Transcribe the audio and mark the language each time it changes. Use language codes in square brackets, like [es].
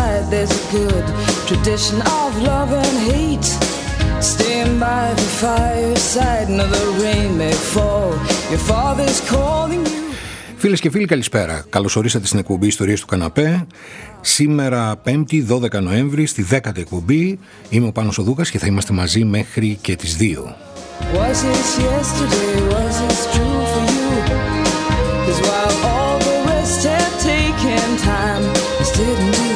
[en] There's a good tradition of love and hate. Staying by the fireside, now the rain may fall. Your father's calling you. [el] Φίλες και φίλοι, καλησπέρα. Καλώς ορίσατε στην εκπομπή Ιστορίες του Καναπέ. Σήμερα, Πέμπτη, 12 Νοέμβρη, στη 10η εκπομπή. Είμαι ο Πάνος ο Δούκας και θα είμαστε μαζί μέχρι και τις 2. [en] Was this yesterday? Was this true for you? 'Cause while all the rest had taken time, this didn't.